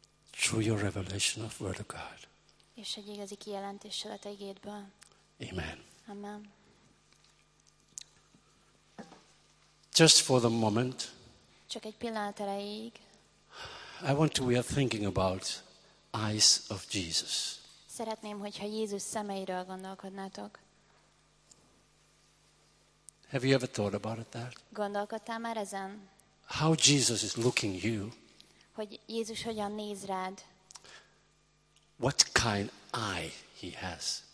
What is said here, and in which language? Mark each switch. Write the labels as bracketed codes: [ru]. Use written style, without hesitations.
[en] Through your revelation of Word of God. [hu] És egy igazi kijelentéssel a te igédből. [en] Amen. Amen. Just for the moment. [hu] Csak egy pillanat erejéig. [en] I want to, we are thinking about eyes of Jesus. [hu] Szeretném, hogyha Jézus szemeiről gondolkodnátok. [en] Have you ever thought about it, that? [hu] Gondolkodtál már ezen? [en] How Jesus is looking you. [hu] Hogy Jézus hogyan néz rád. [en] What kind eye he has.